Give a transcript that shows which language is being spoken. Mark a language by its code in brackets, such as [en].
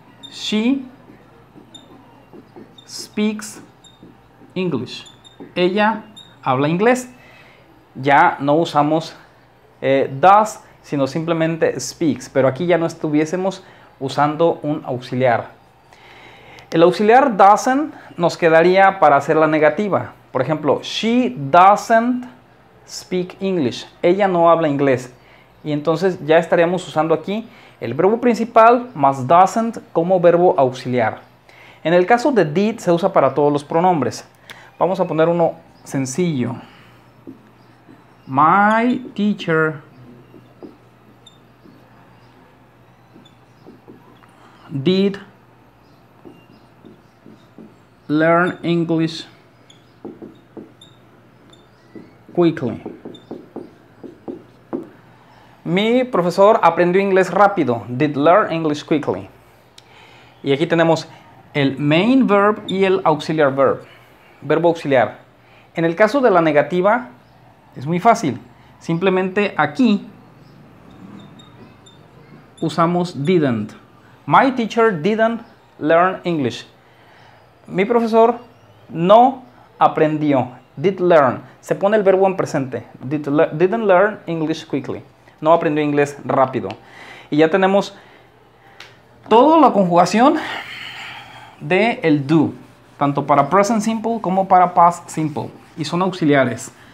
[en] She speaks English. [es] Ella habla inglés. Ya no usamos does, sino simplemente speaks. Pero aquí ya no estuviésemos usando un auxiliar. El auxiliar doesn't nos quedaría para hacer la negativa. Por ejemplo, [en] she doesn't speak English. [es] Ella no habla inglés. Y entonces ya estaríamos usando aquí el verbo principal más doesn't como verbo auxiliar. En el caso de did, se usa para todos los pronombres. Vamos a poner uno sencillo. [en] My teacher did learn English quickly. [es] Mi profesor aprendió inglés rápido. [en] Did learn English quickly. [es] Y aquí tenemos el main verb y el auxiliar verb. Verbo auxiliar. En el caso de la negativa, es muy fácil. Simplemente aquí usamos didn't. [en] My teacher didn't learn English. [es] Mi profesor no aprendió. [en] Did learn. [es] Se pone el verbo en presente. [en] Didn't learn English quickly. [es] No aprendió inglés rápido. Y ya tenemos toda la conjugación de el do, tanto para present simple como para past simple, y son auxiliares.